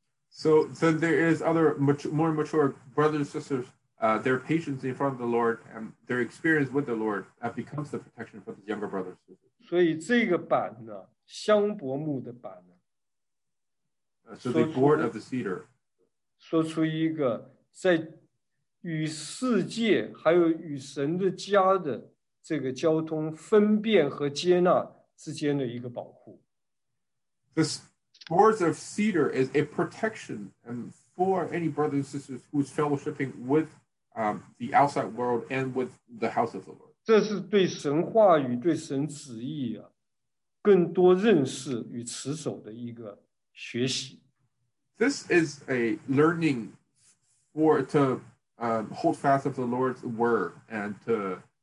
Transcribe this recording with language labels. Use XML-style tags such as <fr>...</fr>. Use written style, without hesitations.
<en>So then there is other more mature brothers and sisters, their patience in front of the Lord and their experience with the Lord becomes the protection for the younger brothers and sisters.</en> <zh>所以这个板呢, 香柏木的板呢,</zh> <en>so the board of the cedar.</en> <zh>说出一个在与世界还有与神的家的 这个交通分辨和接纳之间的一个保护。</zh> <en>This board of cedar is a protection for any brothers and sisters who is fellowshipping with the outside world and with the house of the Lord.</en> <zh>这是对神话语,对神旨意啊, 更多认识与持守的一个学习。</zh> <en>This is a learning for to hold fast of the Lord's word and to</en>